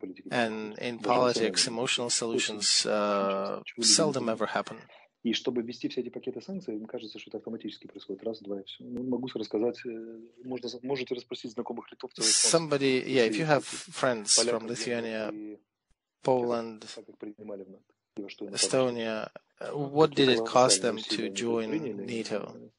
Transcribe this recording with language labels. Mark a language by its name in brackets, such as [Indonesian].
[English] And in politics, emotional solutions seldom ever happen. [Russian] И чтобы ввести все эти пакеты санкций, им кажется, что это автоматически происходит. Раз, два, и все. Ну, могу рассказать, можете расспросить знакомых литовцев. [English] Somebody, yeah, if you have friends from Lithuania, Poland, Estonia, what did it cost them to join NATO?